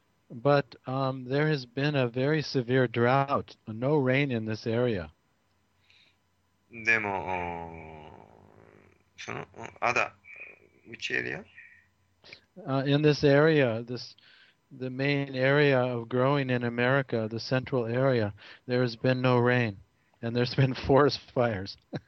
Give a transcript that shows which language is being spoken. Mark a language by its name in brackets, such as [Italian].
[English] But there has been a very severe drought, no rain in this area. [Japanese] でも、そのアダ、 [English] which area? In this area, the main area of growing in America, the central area, there has been no rain, and there's been forest fires.